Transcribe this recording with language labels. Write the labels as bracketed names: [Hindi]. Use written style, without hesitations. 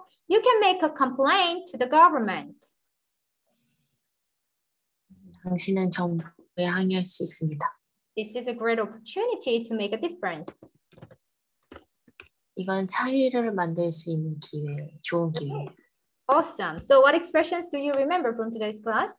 [English] You can make a complaint to the government. [Korean] 당신은 정부. 왜 항의할 수 있습니다. [English] This is a great opportunity to make a difference. [Korean] 이건 차이를 만들 수 있는 기회, 좋은 기회. [English] Awesome. So what expressions do you remember from today's class?